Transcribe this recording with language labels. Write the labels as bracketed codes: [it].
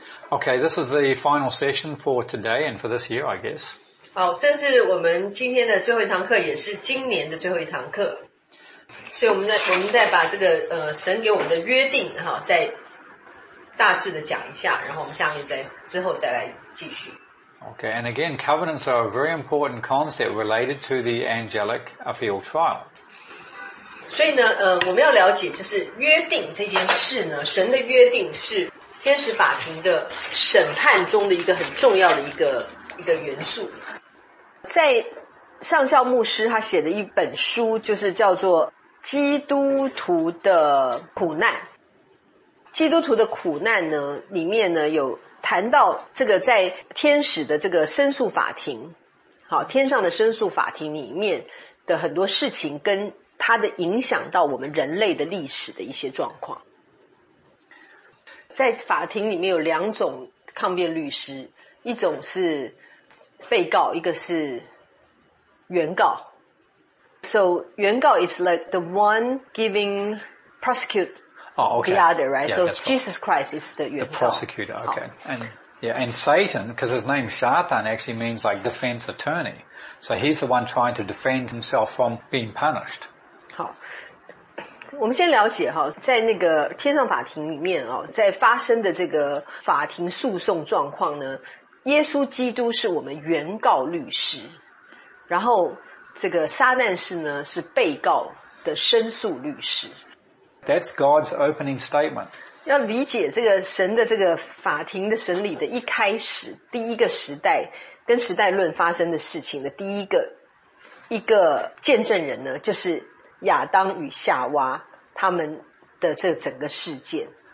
[en] Okay, this is the final session for today and for this year, I guess. [zh] 好，这是我们今天的最后一堂课，也是今年的最后一堂课。所以我们再把这个神给我们的约定哈，再大致的讲一下，然后我们下面再之后再来继续。 [en] Okay, and again, covenants are a very important concept related to the angelic appeal trial. [zh] 所以呢，我们要了解就是约定这件事呢，神的约定是天使法庭的审判中的一个很重要的一个元素。在上校牧师他写的一本书，就是叫做《基督徒的苦难》。基督徒的苦难呢，里面呢有谈到这个在天使的这个申诉法庭，好，天上的申诉法庭里面的很多事情，跟它的影响到我们人类的历史的一些状况。在法庭里面有两种抗辩律师，一种是被告，一个是原告。 [en] So, 原告 is like the one giving prosecute. Oh, okay. The other, right? Yeah, so Jesus Christ is the 原告. The prosecutor, okay. And Satan, because his name Shatan actually means like defense attorney. So he's the one trying to defend himself from being punished. [zh] 好，我们先了解哈，在那个天上法庭里面哦，在发生的这个法庭诉讼状况呢，耶稣基督是我们原告律师，然后这个撒旦士呢是被告的申诉律师。 [en] That's God's opening statement. [zh] 要理解这个神的这个法庭的审理的一开始，第一个时代跟时代论发生的事情的第一个见证人呢，就是亚当与夏娃他们的这整个事件。